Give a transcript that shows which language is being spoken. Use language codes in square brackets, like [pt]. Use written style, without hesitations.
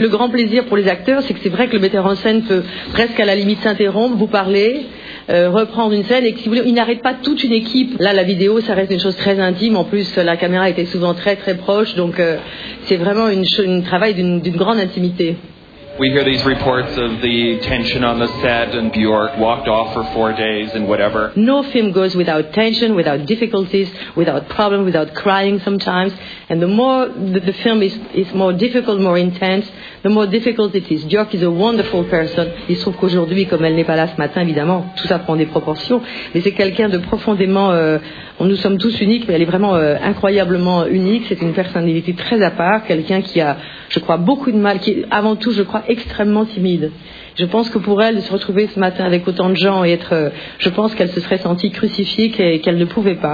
[fr] Le grand plaisir pour les acteurs, c'est que c'est vrai que le metteur en scène peut presque à la limite s'interrompre, vous parler, reprendre une scène, et que si vous voulez, il n'arrête pas toute une équipe. Là, la vidéo, ça reste une chose très intime. En plus, la caméra était souvent très très proche, donc c'est vraiment un travail d'une grande intimité. [en] We hear these reports of the tension on the set and Bjork walked off for 4 days and whatever. No film goes without tension, without difficulties, without problem, without crying sometimes. And the more the film is more difficult, more intense, the more difficult it is. Bjork is a wonderful person. [fr] Il se trouve qu'aujourd'hui, comme elle n'est pas là ce matin, évidemment, tout ça prend des proportions. Mais c'est quelqu'un de profondément... nous sommes tous uniques, mais elle est vraiment incroyablement unique. C'est une personnalité très à part, quelqu'un qui a, je crois, beaucoup de mal, qui est avant tout, je crois, extrêmement timide. Je pense que pour elle, de se retrouver ce matin avec autant de gens et être... je pense qu'elle se serait sentie crucifiée, qu'elle ne pouvait pas.